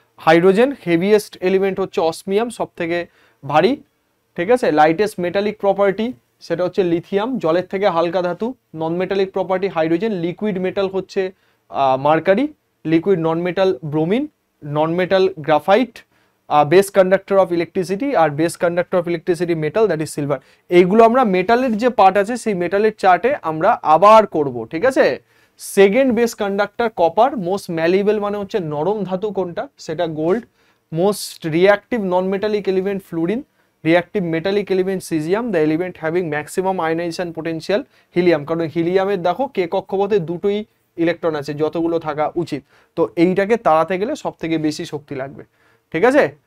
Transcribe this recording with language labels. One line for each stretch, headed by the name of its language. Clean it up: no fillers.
Bangla: Hydrogen heaviest element হচ্ছে osmium সব থেকে ভারী ঠিক আছে লাইটেস্ট মেটালিক প্রপার্টি সেটা হচ্ছে লিথিয়াম জলের থেকে হালকা ধাতু নন metallic property hydrogen liquid metal হচ্ছে mercury liquid non metal bromine non metal graphite
English: base conductor of electricity or base conductor of electricity metal, that is silver.
Bangla: এগুলো আমরা মেটালের যে পার্ট আছে সেই মেটালের চার্টে আমরা আবার করব, ঠিক আছে? Second base conductor copper, most ম্যালিবল মানে হচ্ছে নরম ধাতু কোনটা, সেটা gold. Most reactive non metallic element fluorine, reactive metallic element caesium,
English: the element having maximum ionisation potential
Bangla: helium, কারণ হিলিয়ামের দেখো কে কক্ষপথে দুটোই ইলেকট্রন আছে, যতগুলো থাকা উচিত, তো এইটাকে তাড়াতে গেলে সব থেকে বেশি শক্তি লাগবে, ঠিক আছে?